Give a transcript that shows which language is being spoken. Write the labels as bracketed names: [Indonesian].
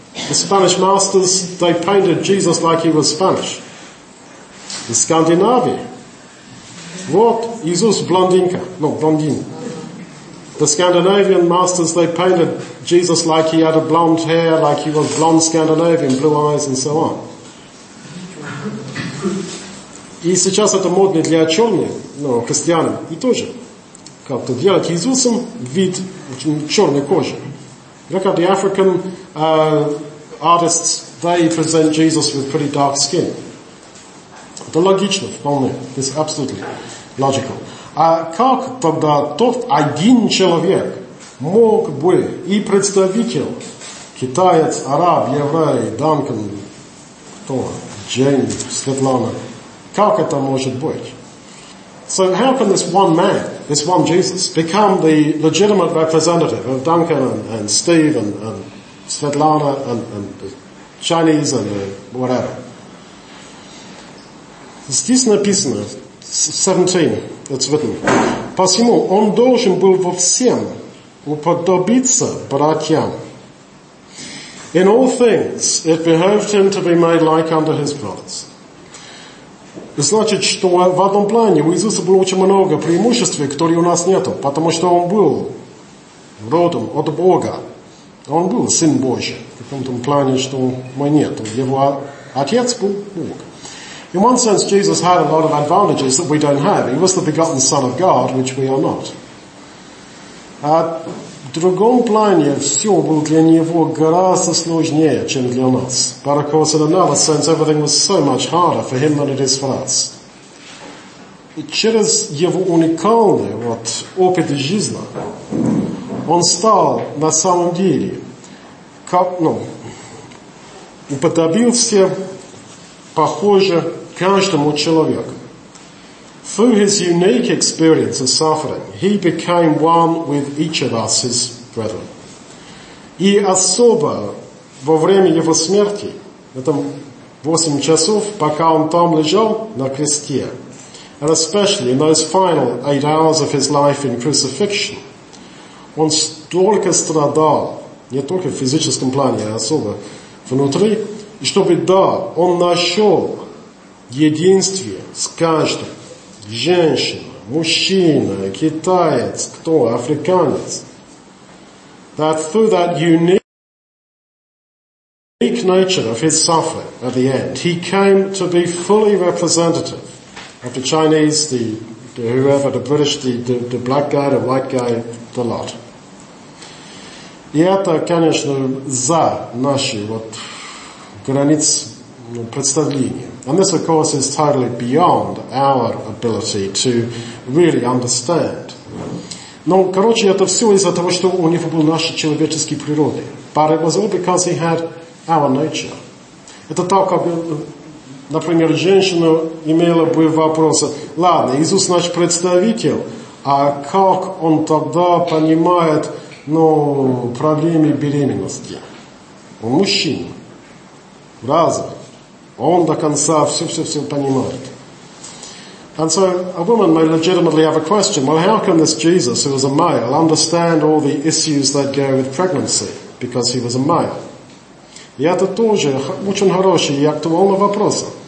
[English] The Spanish masters, they painted Jesus like he was Spanish. The Scandinavia. What? Jesus blondinka. No, blondine. The Scandinavian masters, they painted Jesus like he had a blonde hair, like he was blonde Scandinavian, blue eyes and so on. [Russian] И сейчас это модно для черных, ну, христиан, и тоже. Как-то делать Иисусом вид черной кожи. [English] Look at the African... artists, they present Jesus with pretty dark skin. [Russian] Это логично, вполне. [English] It's absolutely logical. [Russian] Как тогда тот один человек мог бы и представитель китаец, араб, еврей, Данкан, кто? Джейн, Светлана. Как это может быть? [English] So how can this one man, this one Jesus, become the legitimate representative of Danken and Steve and Svetlana and the Chinese and the whatever. [Russian] Здесь написано, 17, [English] it's written. [Russian] Посему он должен был во всем уподобиться братьям. [English] In all things it behoved him to be made like unto his brothers. [Russian] Значит, что в одном плане у Иисуса было очень много преимуществ, которые у нас нету, потому что он был родом от Бога. Он был Сын Божий, в каком-то плане, что мы нет. Его отец был Бог. [English] In one sense, Jesus had a lot of advantages that we don't have. He was the begotten Son of God, which we are not. [Russian] А в другом плане все было для него гораздо сложнее, чем для нас. [English] But of course, in another sense, everything was so much harder for him than it is for us. [Russian] И через его уникальный вот, опыт жизни, он стал на самом деле, как, ну, уподобился, похоже, каждому человеку. [English] Through his unique experience of suffering, he became one with each of us, his brethren. [Russian] И особо во время его смерти, это 8 часов, пока он там лежал на кресте, [English] and especially in those final 8 hours of his life in crucifixion, [Russian] он столько страдал, не только в физическом плане, а особо внутри, и чтобы да, он нашел единство с каждым, женщина, мужчина, китаец, кто, африканец, [English] that through that unique nature of his suffering at the end, he came to be fully representative of the Chinese, the whoever, the British, the black guy, the white guy, the lot. [Russian] И это, конечно, за наши вот границ представления. [English] And this, of course, is totally beyond our ability to really understand. [Russian] Но, короче, это все из-за того, что у него был наша человеческая природа. [English] But it was all because he had our nature. [Russian] Это так, как, например, женщина имела бы вопрос, ладно, Иисус наш представитель, а как он тогда понимает, ну, проблемы беременности? Он мужчина. Разве? Он до конца все-все-все понимает. [English] And so a woman may legitimately have a question, well, how can this Jesus, who was a male, understand all the issues that go with pregnancy, because he was a male? [Russian] И это тоже очень хороший и актуальный вопрос.